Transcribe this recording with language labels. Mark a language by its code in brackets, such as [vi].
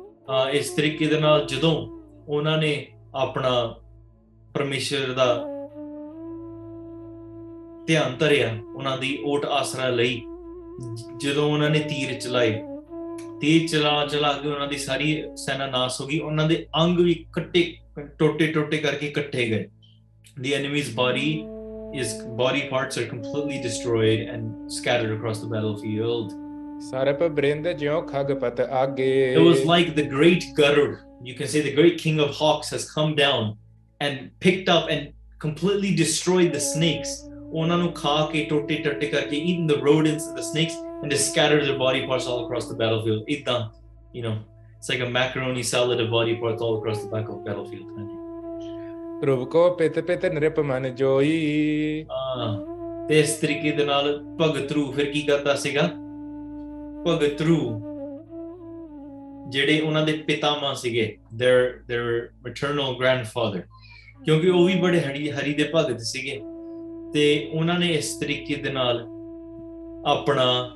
[pa] ਹਾਂ ਇਸ ਤਰੀਕੇ ਦੇ ਨਾਲ ਜਦੋਂ ਉਹਨਾਂ ਨੇ ਆਪਣਾ ਪਰਮੇਸ਼ਰ ਦਾ ਧਿਆਨ ਧਰਿਆ, ਉਹਨਾਂ ਦੀ ਓਟ ਆਸਰਾ ਲਈ, ਜਦੋਂ ਉਹਨਾਂ ਨੇ ਤੀਰ ਚਲਾਏ, ਤੀਰ ਚਲਾ ਚਲਾ ਕੇ ਉਹਨਾਂ ਦੀ ਸਾਰੀ ਸੈਨਾ ਨਾਸ ਹੋ ਗਈ, ਉਹਨਾਂ ਦੇ ਅੰਗ ਵੀ ਕੱਟੇ ਟੋਟੇ ਟੋਟੇ ਕਰਕੇ ਇਕੱਠੇ ਗਏ। [en] The enemy's body is body parts are completely destroyed and scattered across the battlefield. [pa] Sarap brind jyo khag pat aage, [en] it was like the great Garud, you can say the great king of hawks, has come down and picked up and completely destroyed the snakes. [pa] Ona nu kha ke tote tote karke [en] eaten the rodents and the snakes and just scattered their body parts all across the battlefield. Itna, you know, it's like a macaroni salad of body parts all across the back of the battlefield. [pa] ਰੂਪ ਕੋ ਪਿਤ ਪਿਤ ਨਿਰਪ ਮਨ ਜੋਈ, ਤੇ ਇਸ ਤਰੀਕੇ ਦੇ ਨਾਲ ਭਗਤ ਧਰੂ ਫਿਰ ਕੀ ਕਰਦਾ ਸੀਗਾ, ਭਗਤ ਧਰੂ ਜਿਹੜੇ ਉਹਨਾਂ ਦੇ ਪਿਤਾਮਾ ਸੀਗੇ, [en] their maternal grandfather, [pa] ਕਿਉਂਕਿ ਉਹ ਵੀ ਬੜੇ ਹਰੀ ਦੇ ਭਗਤ ਸੀਗੇ, ਤੇ ਉਹਨਾਂ ਨੇ ਇਸ ਤਰੀਕੇ ਦੇ ਨਾਲ ਆਪਣਾ